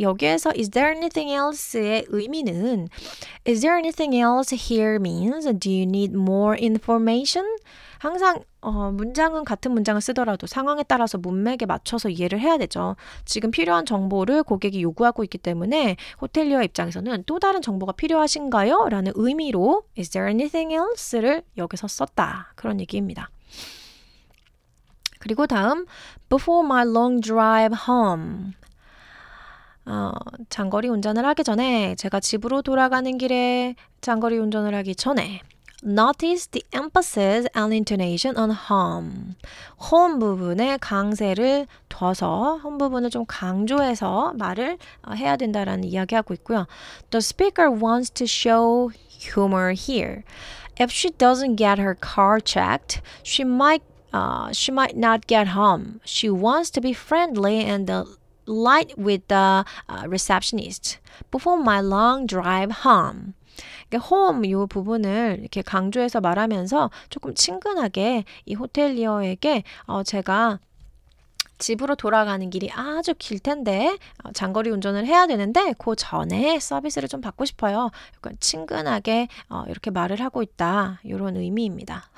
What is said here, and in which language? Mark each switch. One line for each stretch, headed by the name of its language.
Korean: 여기에서
English: is there anything else의 의미는 is there anything else here means do you need more information?
Korean: 항상 문장은 같은 문장을 쓰더라도 상황에 따라서 문맥에 맞춰서 이해를 해야 되죠. 지금 필요한 정보를 고객이 요구하고 있기 때문에 호텔리어 입장에서는 또 다른 정보가 필요하신가요? 라는 의미로
English: is there anything else
Korean: 를 여기서 썼다. 그런 얘기입니다. 그리고 다음
English: before my long drive home
Korean: 장거리 운전을 하기 전에 제가 집으로 돌아가는 길에 장거리 운전을 하기 전에
English: notice the emphasis and intonation on home
Korean: home 부분에 강세를 둬서 home 부분을 좀 강조해서 말을 해야 된다라는 이야기하고 있고요
English: the speaker wants to show humor here if she doesn't get her car checked she might she might not get home. She wants to be friendly and light with the receptionist before my long drive home.
Korean: 그러니까 home 이 부분을 이렇게 강조해서 말하면서 조금 친근하게 이 호텔리어에게 제가 집으로 돌아가는 길이 아주 길 텐데 장거리 운전을 해야 되는데 그 전에 서비스를 좀 받고 싶어요. 약간 친근하게 이렇게 말을 하고 있다. 이런 의미입니다.